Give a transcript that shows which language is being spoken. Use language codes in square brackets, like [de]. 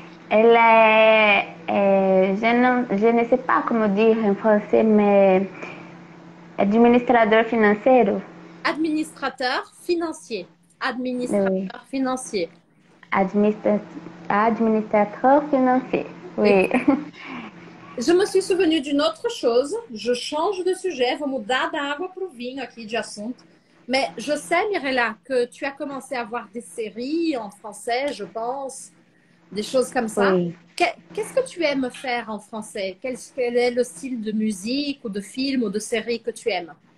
[fr] Elle est, je ne sais pas comment dire en français, mais administrateur financier. Administrateur financier. Administrateur financier. Administrateur financier, oui. Je me suis souvenu d'une autre chose. Je change de sujet. [pt] Vou mudar da água pro vinho aqui de assunto. [fr] Mais je sais, Mirella, que tu as commencé à voir des séries en français, je pense. Des choses comme ça. Oui. Qu'est-ce que tu aimes faire en français? Quel est le style de musique ou de film ou de série que tu aimes?